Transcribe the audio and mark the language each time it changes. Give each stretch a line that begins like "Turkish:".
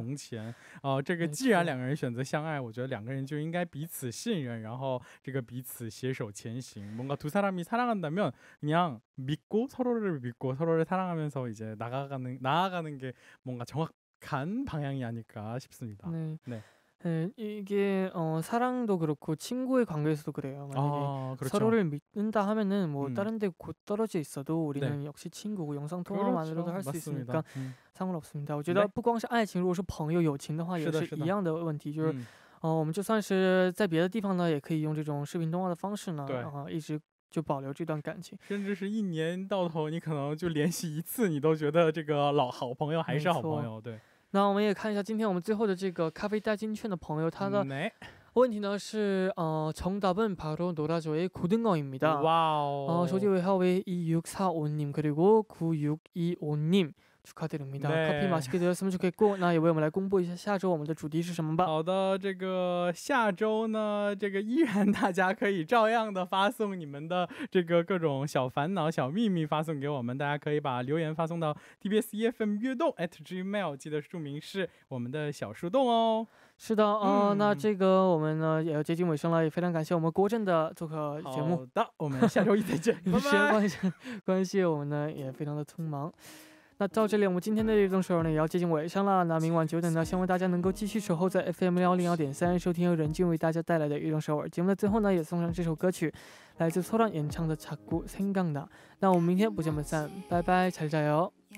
Chinese: 两个人在一起最重要的是这个信任，一旦这个信任开始出现裂痕的话，那两个人的关系就没有办法再弥补到从前。这个既然 两个人选择相爱，我觉得两个人就应该彼此信任，然后这个彼此携手前行。
Korean: 뭔가 두 사람이 사랑한다면 그냥 믿고 서로를 믿고 서로를 사랑하면서 이제 나아가는 게 뭔가 정확한 방향이 아닐까 싶습니다. 네. 네. 네, 이게 사랑도 그렇고 친구의 관계에서도 그래요. 만약에 그렇죠. 서로를 믿는다 하면은 뭐 다른 데 곧 떨어져 있어도 우리는 네. 역시 친구고 영상 통화만으로도 그렇죠. 할 수 있으니까 상관없습니다.
Chinese: 我觉得不光是爱情，如果是朋友友情的话，也是一样的问题。就是我们就算是在别的地方呢，也可以用这种视频通话的方式呢，一直。就保留这段感情，甚至是一年到头，你可能就联系一次，你都觉得这个老好朋友还是好朋友。对，那我们也看一下今天我们最后的这个咖啡代金券的朋友，他的问题呢是，
Korean: 정답은 바로 노라조의 고등어입니다. 와우. 조지웨하웨이 2645님 그리고 9625님 축하드립니다. 네. 커피 맛있게 드셨으면 좋겠고, 나 이번에 공부
Chinese: 一下下周我们的主题是什么吧. 好的，这个下周呢，这个依然大家可以照样的发送你们的这个各种小烦恼、小秘密发送给我们，大家可以把留言发送到 TBS eFM 乐动@ gmail， 记得署名是我们的小树洞哦。是的，那这个我们呢也要接近尾声了，也非常感谢我们国政的做客节目。好的，我们下周一再见。关系我们呢也非常的匆忙。那到这里，我们今天的乐动首尔呢也要接近尾声了。那明晚九点到新闻大家能够继续守候在 FM 101.3收听由仁俊为大家带来的乐动首尔节目的最后呢，也送上这首歌曲，来自소란演唱的《자꾸 생각나》。那我们明天不见不散，拜拜，
Korean: 잘자요。